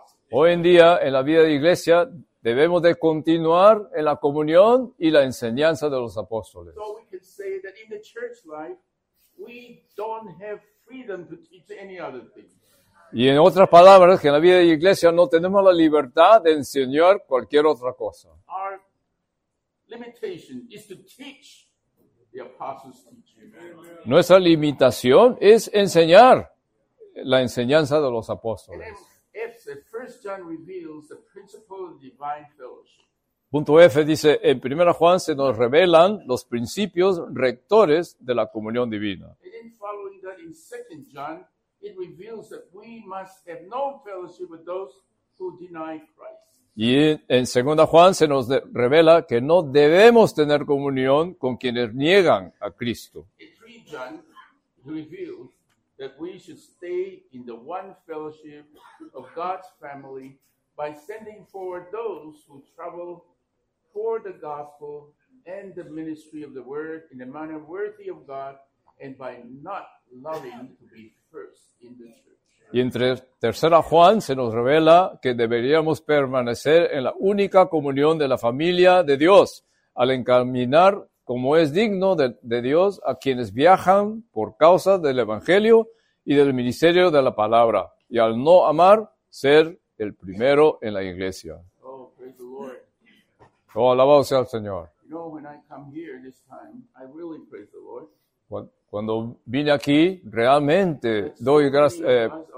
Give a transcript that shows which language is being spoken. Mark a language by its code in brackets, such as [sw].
[es] Hoy en día, en la vida de iglesia, debemos de continuar en la comunión y la enseñanza de los apóstoles. [en] So we can say that in the church life, we don't have freedom to teach any other thing. [es] Y en otras palabras, que en la vida de la iglesia no tenemos la libertad de enseñar cualquier otra cosa. [en] Our limitation is to teach the apostles' teaching. [es] Nuestra limitación es enseñar la enseñanza de los apóstoles. [en] First John reveals the principle of divine fellowship. [es] Punto F dice, en 1 Juan se nos revelan los principios rectores de la comunión divina. [en] And in following that in 2 John, it reveals that we must have no fellowship with those who deny Christ. [es] Y en 2 Juan se nos revela que no debemos tener comunión con quienes niegan a Cristo. [en] In 3 John, it reveals that we should stay in the one fellowship of God's family by sending forward those who travel for the gospel and the ministry of the word in a manner worthy of God and by not loving to be first in the church. [es] Y entre tercera Juan se nos revela que deberíamos permanecer en la única comunión de la familia de Dios al encaminar como es digno de Dios a quienes viajan por causa del evangelio y del ministerio de la palabra y al no amar ser el primero en la iglesia. [en] Oh, praise the Lord. [es] Oh, alabado sea el Señor. [en] You know, when I come here this time, I really praise the Lord. [es] Cuando vine aquí, realmente doy gracias.